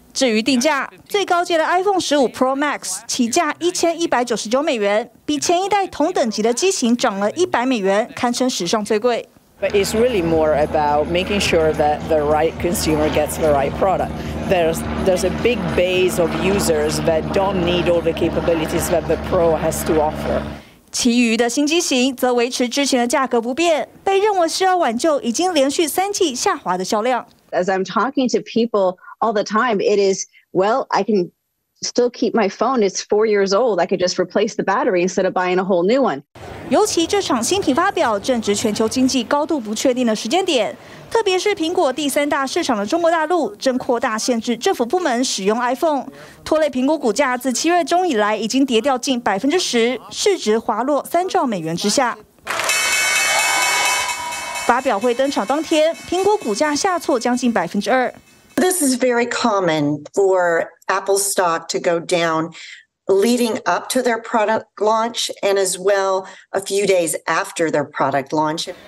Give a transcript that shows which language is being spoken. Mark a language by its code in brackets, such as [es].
[zh] 至于定价，最高阶的 iPhone 15 Pro Max 起价$1,199，比前一代同等级的机型涨了$100，堪称史上最贵。 [en] But it's really more about making sure that the right consumer gets the right product. There's a big base of users that don't need all the capabilities that the Pro has to offer. [zh] 其余的新机型则维持之前的价格不变，被认为需要挽救已经连续三季下滑的销量。 [en] As I'm talking to people all the time, it is, well, I can still keep my phone. It's 4 years old. I could just replace the battery instead of buying a whole new one. [zh] 尤其这场新品发表正值全球经济高度不确定的时间点，特别是苹果第三大市场的中国大陆正扩大限制政府部门使用 iPhone， 拖累苹果股价自七月中以来已经跌掉近10%，市值滑落$3兆之下。发表会登场当天，苹果股价下挫将近2%。 [en] This is very common for Apple stock to go down. Leading up to their product launch, and as well a few days after their product launch.